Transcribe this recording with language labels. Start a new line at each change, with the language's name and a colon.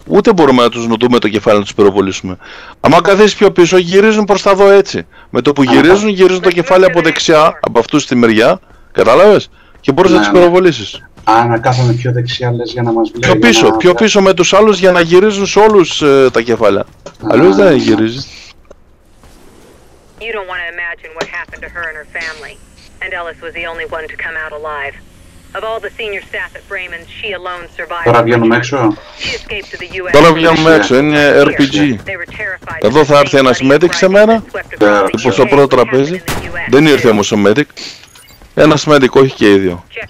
Greek: Ούτε μπορούμε να τους νοτούμε το κεφάλι να τους πυροβολήσουμε. Άμα καθίσεις πιο πίσω, γυρίζουν προς τα δω έτσι. Με το που γυρίζουν, γυρίζουν το κεφάλι από δεξιά, από αυτούς στη μεριά. Κατάλαβες? Και μπορείς να τις πυροβολήσεις. Α, να κάθομαι πιο δεξιά, λες, για να μας βλέπει. Πιο πίσω, να... πιο πίσω με τους άλλους για να γυρίζουν σε όλους τα κεφάλια. Αλλιώς δεν γυρίζεις.
English: You don't want to imagine what happened to her and her family. And Ellis was the only one to come out alive. Of all the senior staff at Bremen, she alone survived.
Greek: Τώρα βγαίνουμε έξω. Τώρα βγαίνουμε έξω, είναι RPG. Εδώ θα έρθει ένας medic σε μένα. Λοιπόν, στο πρώτο τραπέζι. Δεν ήρθε όμως ο medic. Ένας medic, όχι και οι δύο.